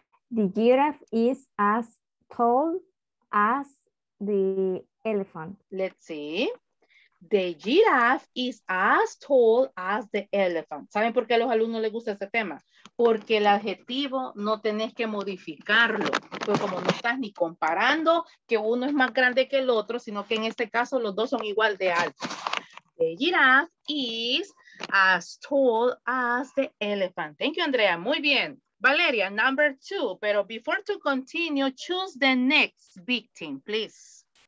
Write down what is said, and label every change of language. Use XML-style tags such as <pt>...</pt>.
<en>The giraffe is as tall as the elephant. Let's see. The giraffe is as tall as the elephant.</en> <es>¿Saben por qué a los alumnos les gusta ese tema? Porque el adjetivo no tenés que modificarlo. Pero como no estás ni comparando que uno es más grande que el otro, sino que en este caso los dos son igual de altos.</es> <en>The giraffe is as tall as the elephant. Thank you, Andrea.</en> <es>Muy bien.</es> <en>Valeria, number two.</en> <es>Pero</es> <en>before to continue, choose the next victim, please.</en>